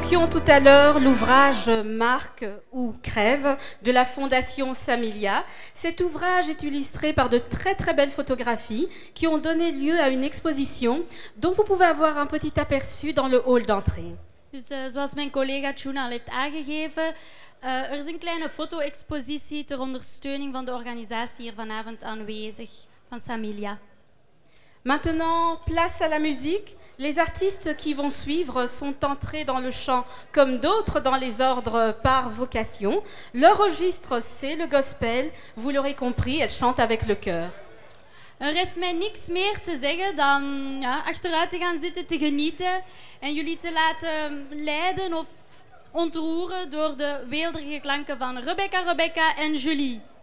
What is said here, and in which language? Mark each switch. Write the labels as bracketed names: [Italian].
[French] Tout à l'heure, l'ouvrage Marque ou Crève de la Fondation Samilia. Cet ouvrage est illustré par de très très belles photographies qui ont donné lieu à une exposition dont vous pouvez avoir un petit aperçu dans le hall d'entrée. [Dutch] Dus zoals mijn collega Tjuna heeft aangegeven, er is een kleine foto-expositie ter ondersteuning van de organisatie hier vanavond aanwezig van Samilia. [French] Maintenant, place à la musique. Les artistes qui vont suivre sont entrés dans le chant comme d'autres dans les ordres par vocation. Leur registre, c'est le gospel. Vous l'aurez compris, elles chantent avec le cœur. [Dutch] Er is mij niks meer te zeggen dan achteruit te gaan zitten, te genieten en jullie te laten leiden of ontroeren door de weelderige klanken van Rebecca, Rebecca en Julie.